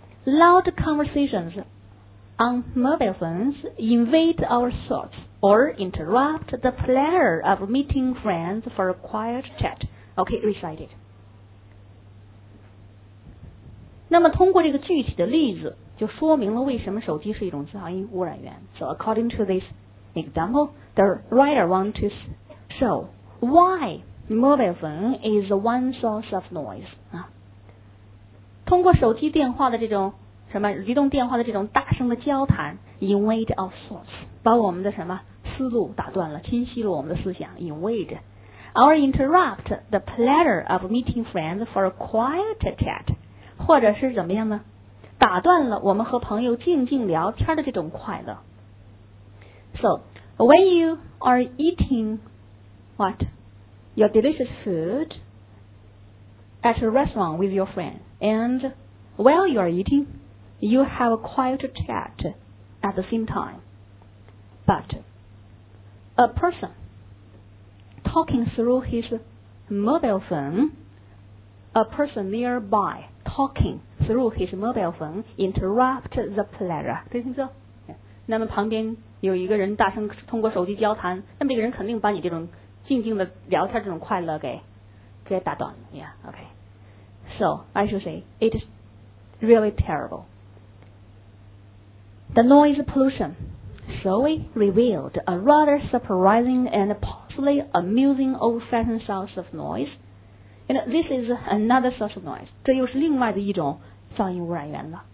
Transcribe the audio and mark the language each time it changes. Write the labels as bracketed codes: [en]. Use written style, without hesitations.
[en] Loud conversations on mobile phones invade our thoughts or interrupt the pleasure of meeting friends for a quiet chat. Okay, recite it. [zh] 那么通过这个具体的例子就说明了为什么手机是一种噪音污染源。 [en] So according to this example, the writer wants to show why mobile phone is one source of noise. [zh] 通过手机电话的这种什么移动电话的这种大声的交谈 [en] invade our thoughts， [zh] 把我们的什么思路打断了，侵袭了我们的思想 [en] invade or interrupt the pleasure of meeting friends for a quiet chat， [zh] 或者是怎么样呢，打断了我们和朋友静静聊天的这种快乐。 [en] So when you are eating what your delicious food at a restaurant with your friend and while you are eating you have a quiet chat at the same time, but a person talking through his mobile phone, a person nearby talking through his mobile phone interrupt the pleasure. [zh] 可以听说，那么旁边有一个人大声通过手机交谈，那么这个人肯定把你这种静静的聊天这种快乐给打断了。 [en] Yeah, okay. So I should say it is really terrible. The noise pollution surely revealed a rather surprising and possibly amusing old-fashioned source of noise. And this is another source of noise. [zh] 这又是另外的一种噪音污染源了。